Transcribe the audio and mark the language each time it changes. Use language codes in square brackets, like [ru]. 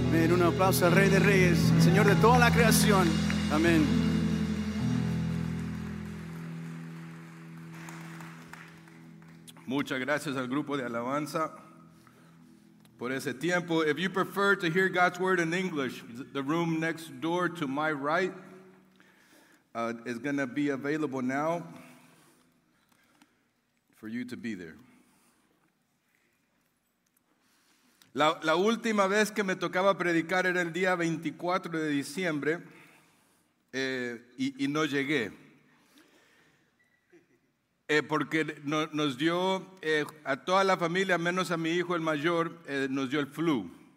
[es] Un aplauso al Rey de Reyes, al Señor de toda la creación. Amén. Muchas gracias al grupo de alabanza por ese tiempo. [en] If you prefer to hear God's word in English, the room next door to my right is going to be available now for you to be there. [es] La última vez que me tocaba predicar era el día 24 de diciembre y no llegué. Porque nos dio a toda la familia, menos a mi hijo el mayor, nos dio el flu.